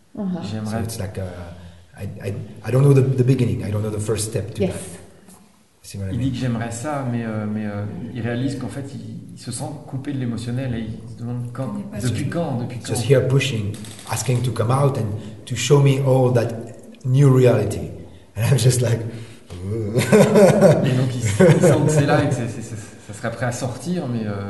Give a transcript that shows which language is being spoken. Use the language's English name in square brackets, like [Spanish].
[French] Uh-huh. J'aimerais. [English] So it's like I don't know the beginning. I don't know the first step to yes. that. Yes. [French] Il dit que j'aimerais ça, mais il réalise qu'en fait il se sent coupé de l'émotionnel et il se demande quand, depuis quand. [English] Just here pushing, asking to come out and to show me all that new reality. And I'm just like... [French] Et donc il sent que c'est là et que ça serait prêt à sortir, mais...